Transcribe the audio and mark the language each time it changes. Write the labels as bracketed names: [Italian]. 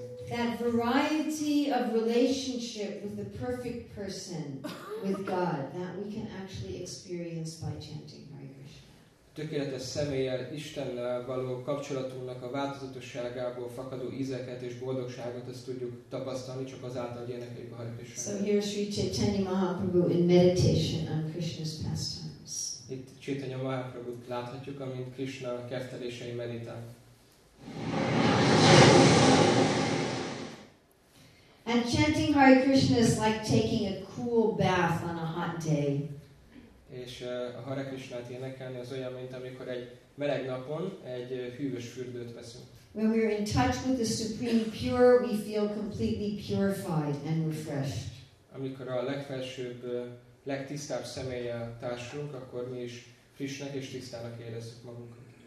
[English] That variety of relationship with the perfect person, with God, that we can actually experience by chanting Hare Krishna. [Hungarian] tökéletes személlyel, Istennel való kapcsolatunknak a változatosságából fakadó ízeket és boldogságot ezt tudjuk tapasztalni csak azáltal, hogy énekeljük a Hare Krishnát. [English] So here Sri Chaitanya Mahaprabhu in meditation on Krishna's pastimes. [Hungarian] Itt Chaitanya Mahaprabhut láthatjuk, amint Krishna keftelései meditál. [English] And chanting Hare Krishna is like taking a cool bath on a hot day. [Hungarian] És a Hare Krishnát énekelni az olyan, mint amikor egy meleg napon egy hűvös fürdőt veszünk. [English] When we are in touch with the supreme pure, we feel completely purified and refreshed. [Hungarian] Amikor a legfelsőbb, legtisztább személlyel társulunk, akkor mi is frissnek és tisztának érezzük magunkat.